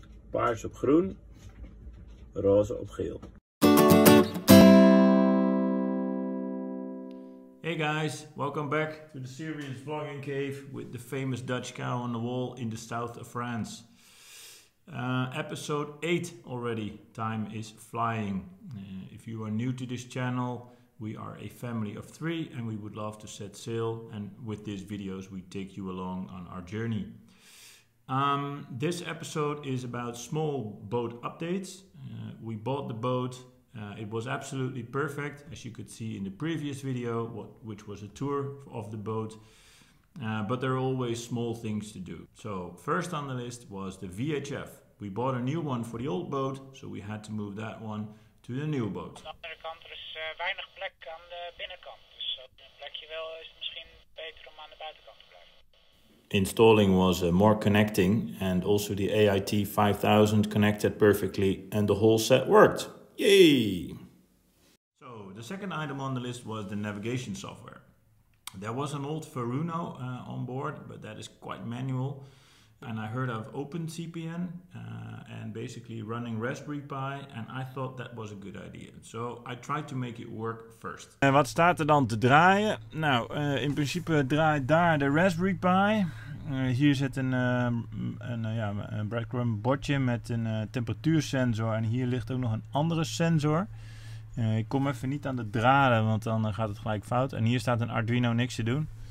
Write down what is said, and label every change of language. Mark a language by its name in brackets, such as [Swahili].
[Dutch] paars op groen, roze op geel. [English] Hey guys, welcome back to the serious vlogging cave with the famous Dutch cow on the wall in the south of France. Episode 8 already, time is flying. If you are new to this channel, we are a family of three and we would love to set sail, and with these videos we take you along on our journey. This episode is about small boat updates. We bought the boat. It was absolutely perfect, as you could see in the previous video, which was a tour of the boat. But there are always small things to do. So first on the list was the VHF. We bought a new one for the old boat, so we had to move that one to the new boat. On the other hand, there is [Dutch] weinig plek aan de binnenkant. Dus plekje wel is misschien beter om aan de buitenkant te blijven. [English] Installing was more connecting, and also the AIT 5000 connected perfectly, and the whole set worked. Yay! So the second item on the list was the navigation software. There was an old Furuno on board, but that is quite manual. And I heard of OpenCPN and basically running Raspberry Pi, and I thought that was a good idea. So I tried to make it work first. [Dutch] En wat staat er dan te draaien? Nou, in principe draait daar de Raspberry Pi. Hier zit een breadcrumb bordje met een temperatuursensor, en hier ligt ook nog een andere sensor. Ik kom even niet aan de draden, want dan gaat het gelijk fout. En hier staat een Arduino, niks te doen.